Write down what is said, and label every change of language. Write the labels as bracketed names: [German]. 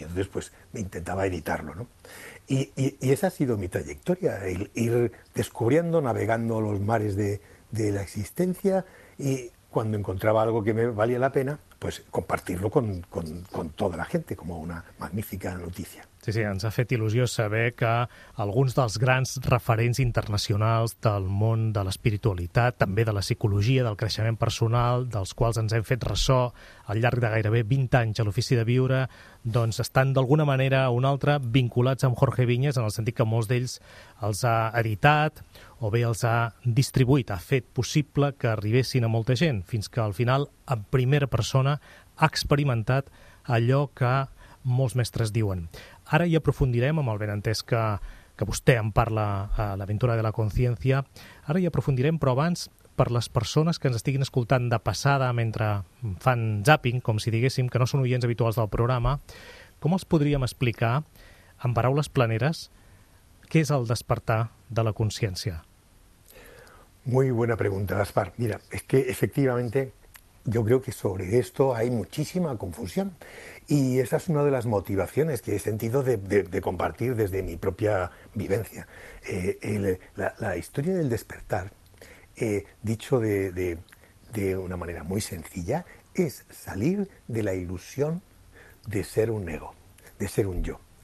[Spanish] Y entonces pues intentaba editarlo, ¿no? Y esa ha sido mi trayectoria, ir descubriendo, navegando los mares de la existencia, y cuando encontraba algo que me valía la pena, pues compartir-lo con toda la gente como una magnífica noticia. [Catalan] Sí, sí, ens ha fet il·lusió saber que alguns dels grans referents internacionals del món de l'espiritualitat, també de la psicologia, del creixement personal, dels quals ens hem fet ressò al llarg de gairebé 20 anys a l'ofici de viure, doncs estan d'alguna manera o una altra vinculats amb Jorge Viñes, en el sentit que molts d'ells els ha editat o bé els ha distribuït, ha fet possible que arribessin a molta gent, fins que al final, en primera persona, ha experimentat allò que molts mestres diuen. Ara hi aprofundirem, amb el benentès que vostè en parla a l'aventura de la consciència, ara hi aprofundirem, però abans, per les persones que ens estiguin escoltant de passada mentre fan zapping, com si diguéssim, que no són oients habituals del programa, com els podríem explicar, en paraules planeres, què és el despertar de la consciència? [Spanish] Muy buena pregunta, Gaspar. Mira, es que efectivamente yo creo que sobre esto hay muchísima confusión y esa es una de las motivaciones que he sentido de compartir desde mi propia vivencia. La historia del despertar, dicho de una manera muy sencilla, es salir de la ilusión de ser un ego, de ser un yo.